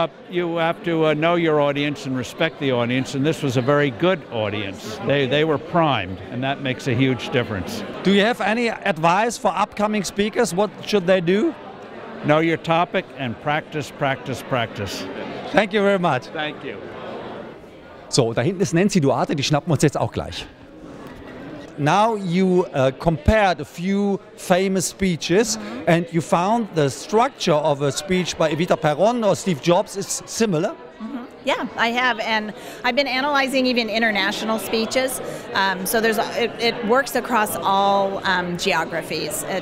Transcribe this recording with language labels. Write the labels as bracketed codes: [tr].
[en] You have to know your audience and respect the audience, and this was a very good audience. They were primed, and that makes a huge difference. Do you have any advice for upcoming speakers? What should they do? Know your topic and practice, practice, practice. Thank you very much. Thank you. [de] So, da hinten ist Nancy Duarte, die schnappen wir uns jetzt auch gleich. [en] Now you compared a few famous speeches and you found the structure of a speech by Evita Perón or Steve Jobs is similar. Yeah, I have, and I've been analyzing even international speeches. So there's it works across all geographies.